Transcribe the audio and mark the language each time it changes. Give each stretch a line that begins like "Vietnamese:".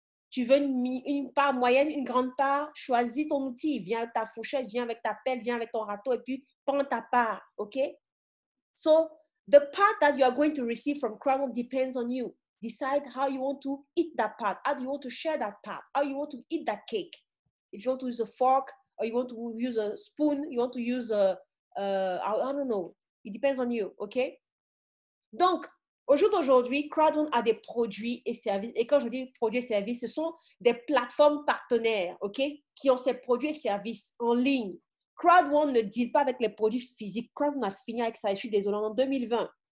French: Tu veux une part moyenne, une grande part? Choisis ton outil. Viens avec ta fourchette, viens avec ta pelle, viens avec ton râteau et puis prends ta part. OK?
English: So, the part that you are going to receive from CrowdOne depends on you. Decide how you want to eat that part. How do you want to share that part? How you want to eat that cake? If you want to use a fork, or you want to use a spoon, you want to use I don't know. It depends on you, OK?
French: Donc, au jour d'aujourd'hui, CrowdOne a des produits et services. Et quand je dis produits et services, ce sont des plateformes partenaires, OK, qui ont ces produits et services en ligne. CrowdOne ne deal pas avec les produits physiques. CrowdOne a fini avec ça. Je suis désolée, en 2020.